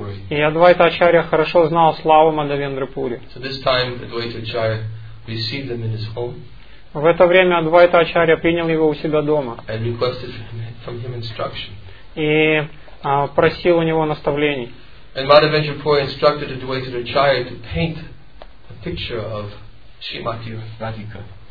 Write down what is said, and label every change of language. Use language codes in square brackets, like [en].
[ru] И Адвайта Ачари хорошо знал славу Мадхавендры Пури. [en] So this time Advaita Acharya received them in his home. [ru] В это время Адвайта Ачари принял его у себя дома. [en] And requested from him instruction. [ru] И просил у него наставлений. [en] And Madhavendra Puri instructed Advaita Acharya to paint a picture of Srimati Radhika.